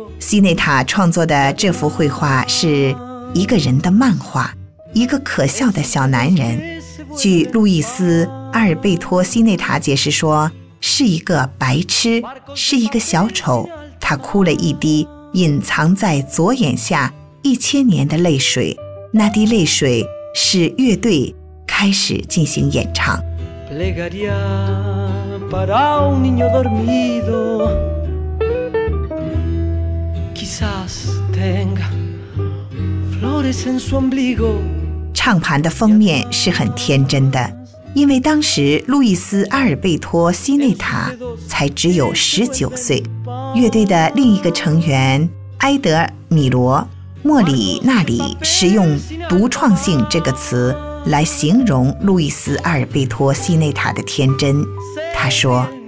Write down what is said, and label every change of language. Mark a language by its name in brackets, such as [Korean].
[Chinese] 西内塔创作的这幅绘画是一个人的漫画，一个可笑的小男人，据路易斯·阿尔贝托·西内塔解释说，是一个白痴，是一个小丑，他哭了一滴隐藏在左眼下1000年的泪水，那滴泪水是乐队开始进行演唱。 [Spanish] Plegaria para un niño dormido, quizás tenga flores en su ombligo。 [Chinese] 唱盘的封面是很天真的，因为当时路易斯·阿尔贝托·西内塔才只有19岁，乐队的另一个成员埃德·米罗·莫里纳里使用独创性这个词来形容路易斯·阿尔贝托·西内塔的天真，他说，